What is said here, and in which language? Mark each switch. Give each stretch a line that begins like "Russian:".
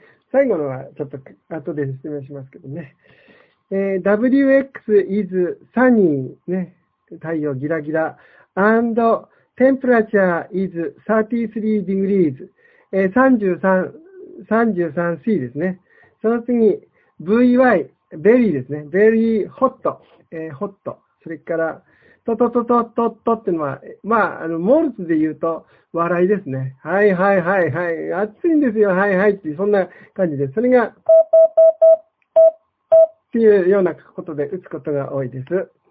Japanese: 最後のはちょっと後で説明しますけどね。
English: WX is sunny
Japanese: ね、太陽ギラギラ。
English: And temperature is 33 degrees、33C
Japanese: ですね。その次 VY very ですね。
English: very hot、hot。
Japanese: それからトトトトトトトってのはまあモルツで言うと笑いですね。はいはいはいはい、暑いんですよ、はいはいっていうそんな感じで、それがっていうようなことで打つことが多いです。